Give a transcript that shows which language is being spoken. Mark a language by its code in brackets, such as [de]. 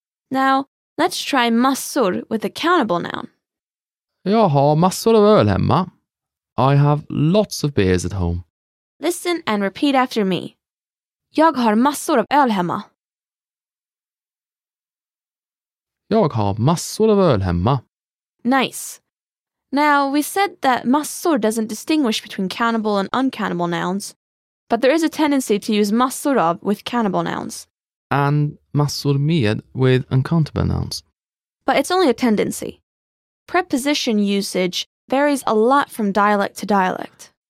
[en] Now, let's try massor with a countable noun. [sv] Jag har massor av öl hemma. [en] I have lots of beers at home. Listen and repeat after me. [sv] Jag har massor av öl hemma. Jag har massor av öl hemma. [en] Nice. Now, we said that massor doesn't distinguish between countable and uncountable nouns, but there is a tendency to use massor av with countable nouns. And massor med with uncountable nouns. But it's only a tendency. Preposition usage varies a lot from dialect to dialect.